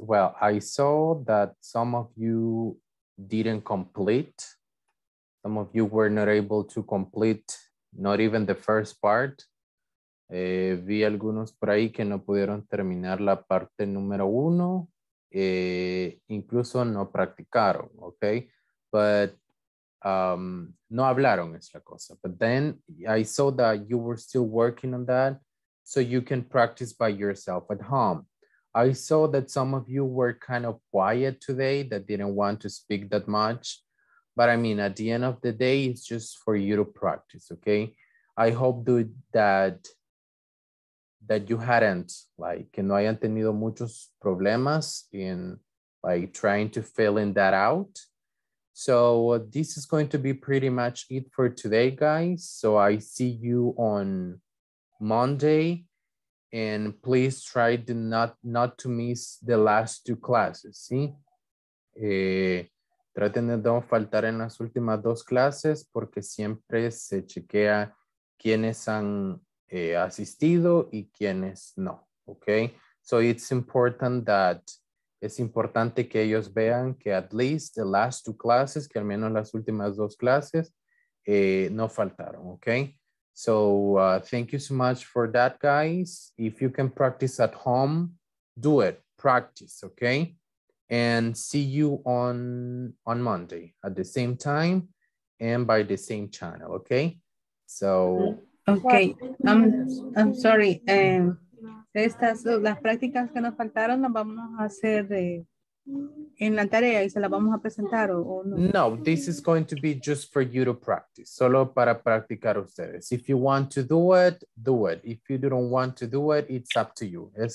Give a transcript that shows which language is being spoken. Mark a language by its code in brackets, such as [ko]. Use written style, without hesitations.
[en] Well, I saw that some of you didn't complete. Some of you were not able to complete, not even the first part. [es] Vi algunos por ahí que no pudieron terminar la parte número uno. Incluso no practicaron, okay? But no hablaron es la cosa. [en] But then I saw that you were still working on that, so you can practice by yourself at home. I saw that some of you were kind of quiet today, that didn't want to speak that much. But I mean, at the end of the day, it's just for you to practice, okay? I hope that you hadn't, like, [es] que no hayan tenido muchos problemas [en] in, like, trying to fill in that out. So this is going to be pretty much it for today, guys. So I see you on Monday. And please try not to miss the last two classes, see? [es] traten de no faltar en las últimas dos clases porque siempre se chequea quiénes han asistido y quiénes no, ¿ok? [en] So it's important that, [es] es importante que ellos vean que [en] at least the last two classes, [es] que al menos las últimas dos clases, no faltaron, ¿ok? [en] So thank you so much for that, guys. If you can practice at home, do it, practice, ¿ok? And see you on Monday at the same time and by the same channel, okay? So. Okay, I'm sorry. [es] Estas, las prácticas que nos faltaron las vamos a hacer en la tarea y se las vamos a presentar o no? [en] No, this is going to be just for you to practice, [es] solo para practicar ustedes. [en] If you want to do it, do it. If you don't want to do it, it's up to you.